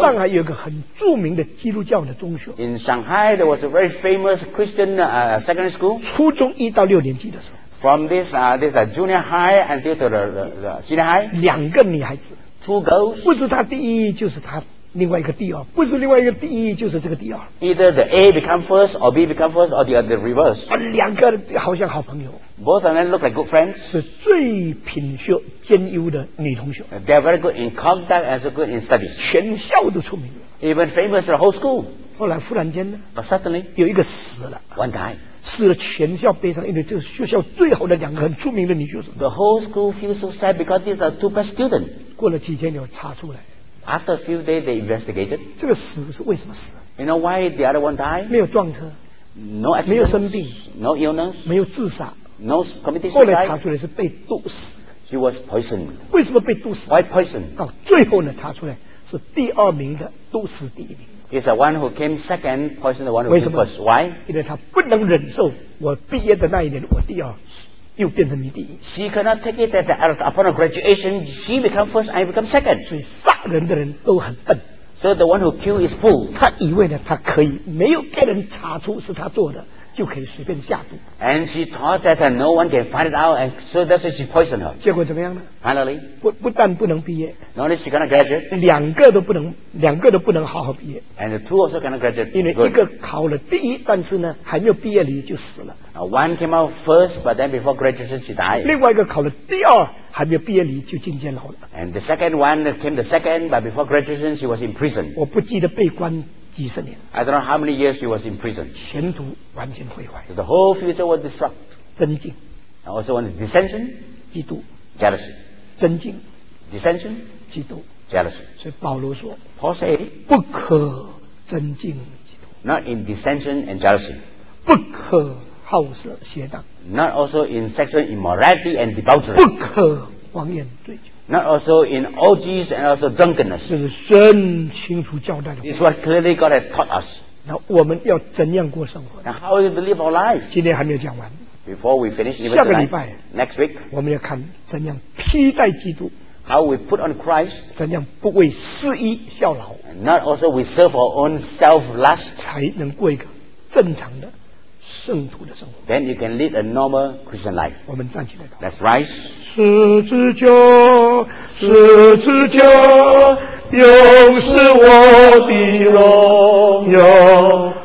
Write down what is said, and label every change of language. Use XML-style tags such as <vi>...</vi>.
<zh>上海有个很著名的基督教的中学。</zh> <en>In Shanghai, there was a very famous Christian secondary school.</en> <zh>初中一到六年级的时候。</zh> <en>From this junior high until to the senior high.</en> <zh>两个女孩子。</zh> <en>Two girls.</en> <zh>不是她第一，就是她另外一个第二。不是另外一个第一，就是这个第二。</zh> <en>Either the A become first or B become first or the other reverse.</en> <zh>两个好像好朋友。</zh> <en>Both of them look like good friends.</en> <zh>是最品学兼优的女同学。</zh> <en>They are very good in conduct and so good in study.</en> <zh>全校都出名。</zh> <en>Even famous the whole school.</en> <zh>后来忽然间呢</zh> <en>？But suddenly,</en> <zh>有一个死了。</zh> <en>One died.</en> <zh>死了全校悲伤，因为这是学校最好的两个很出名的女学生。</zh> <en>The whole school feels so sad because these are two best students.</en> <zh>过了几天，又查出来。</zh> <en>After a few days, they investigated.</en> <zh>这个死是为什么死？</zh> <en>You know why the other one died?</en> <zh>没有撞车。</zh> <en>No accident.</en> <zh>没有生病。</zh> <en>No illness.</en> <zh>没有自杀。</zh> <en>No committed suicide.</en> <zh>后来查出来是被毒死。</zh> <en>She was poisoned.</en> <zh>为什么被毒死？</zh> <en>Why poison?</en> <zh>到最后呢，查出来是第二名的毒死第一名。</zh> <en>He's the one who came second, poisoned the one who came first. Why?</en> <zh>因为他不能忍受我毕业的那一年我第二。又变成你第一。</zh> <en>She cannot take it that upon her graduation, she become first, I become second.</en> <zh>所以杀人的人都很笨。</zh> <en>So the one who kill is fool.</en> <zh>他以为呢，他可以没有被人查出是他做的，就可以随便下毒。</zh> <en>And she thought that no one can find it out, and so that's why she poisoned her.</en> <zh>结果怎么样呢</zh> <en>？Finally,</en> <zh>不但不能毕业</zh> <en>，Not only she cannot graduate,</en> <zh>两个都不能好好毕业。</zh> <en>And the two also cannot graduate.</en> <zh>因为一个考了第一，但是呢还没有毕业礼就死了。</zh> <en>One came out first, but then before graduation, she died.</en> <zh>另外一个考了第二，还没有毕业礼就进监牢了。</zh> <en>And the second one came the second, but before graduation, she was in prison.</en> <zh>我不记得被关几十年。</zh> <en>I don't know how many years she was in prison.</en> <zh>前途完全毁坏。</zh> <en>So、the whole future was destroyed.</en> <zh>尊敬。</zh> <en>I also want dissension.</en> <zh>嫉妒。</zh> <en>Jealousy.</en> <zh>尊敬。</zh> <en>Dissension.</en> <zh>嫉妒。</zh> <en>Jealousy.</en> <zh>所以保罗说</zh> <en>，Paul said,</en> <zh>不可尊敬嫉妒。</zh> <en>Not in dissension and jealousy.</en> <zh>不可。好色邪荡</zh> <en>，not also in sexual immorality and debauchery，</en> <zh>不可妄言醉酒</zh> <en>，not also in orgies and also drunkenness，</en> <zh>是神清楚交代的。</zh> <en>It's what clearly God has taught us。</en> <zh>那我们要怎样过生活</zh> <en>？Now how do we live our life？</en> <zh>今天还没有讲完</zh> <en>，Before we finish，</en> <zh>下个礼拜</zh> <en>，Next week，</en> <zh>我们要看怎样披戴基督</zh> <en>，How we put on Christ，</en> <zh>怎样不为私欲效劳</zh> <en>，Not also we serve our own self lust，</en> <zh>才能过一个正常的。圣徒的生活。</zh> <en>Then you can lead a normal Christian life.</en> <zh>我们站起来。</zh> <en>Let's rise.</en> <zh>十字架，十字架，永是我的荣耀。</zh>